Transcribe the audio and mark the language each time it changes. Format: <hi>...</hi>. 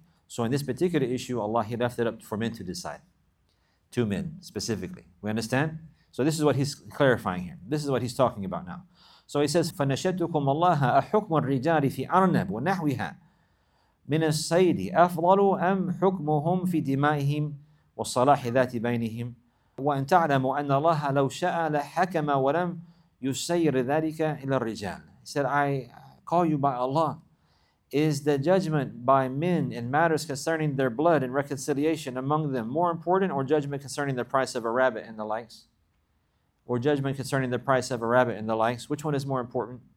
<en>So in this particular issue, Allah, He left it up for men to decide. Two men, specifically. We understand? So this is what He's clarifying here. This is what He's talking about now. So He says,</en> <ar>فَنَشَدُكُمْ اللَّهَ أَحُكْمُ الرِّجَالِ فِي أَرْنَبُ وَنَحْوِهَا مِنَ السَّيْدِ أَفْضَلُ أَمْ حُكْمُهُمْ فِي دِمَائِهِمْ وصلاح ذات بينهم. وأن تعلموا أن الله لو شاء لحكم ولم يسير ذلك إلى الرجال.</ar> <en>He said, I call you by Allah. Is the judgment by men in matters concerning their blood and reconciliation among them more important, or judgment concerning the price of a rabbit and the likes? Or judgment concerning the price of a rabbit and the likes? Which one is more important?</en>